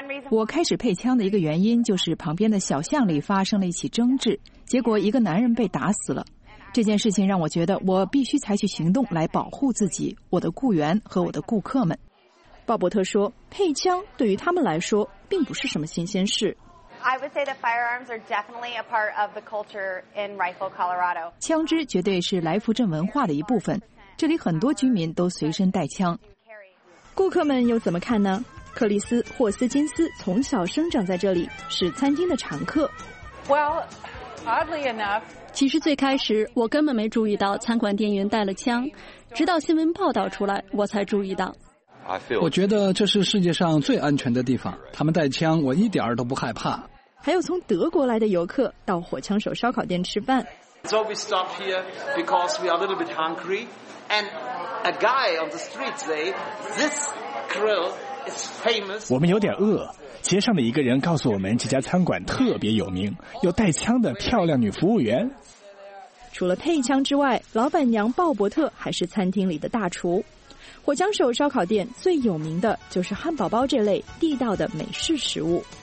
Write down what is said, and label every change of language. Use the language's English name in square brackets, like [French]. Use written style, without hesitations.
[Chinese] 我开始配枪的一个原因就是旁边的小巷里发生了一起争执，结果一个男人被打死了。这件事情让我觉得我必须采取行动来保护自己、我的雇员和我的顾客们。鲍伯特说，配枪对于他们来说并不是什么新鲜事。 [English] I would say that firearms are definitely a part of the culture in Rifle, Colorado. [Chinese] 枪支绝对是来福镇文化的一部分，这里很多居民都随身带枪。顾客们又怎么看呢？克里斯·霍斯金斯从小生长在这里，是餐厅的常客。 [English] Well, oddly enough, [Chinese] 其实最开始我根本没注意到餐馆店员带了枪，直到新闻报道出来，我才注意到。我觉得这是世界上最安全的地方，他们带枪我一点儿都不害怕。还有从德国来的游客到火枪手烧烤店吃饭。 [English] So we stopped here because we are a little bit hungry and a guy on the street say this grill is famous. [Chinese] 我们有点饿，街上的一个人告诉我们这家餐馆特别有名，有带枪的漂亮女服务员。除了配枪之外，老板娘鲍伯特还是餐厅里的大厨。火枪手烧烤店最有名的就是汉堡包这类地道的美式食物。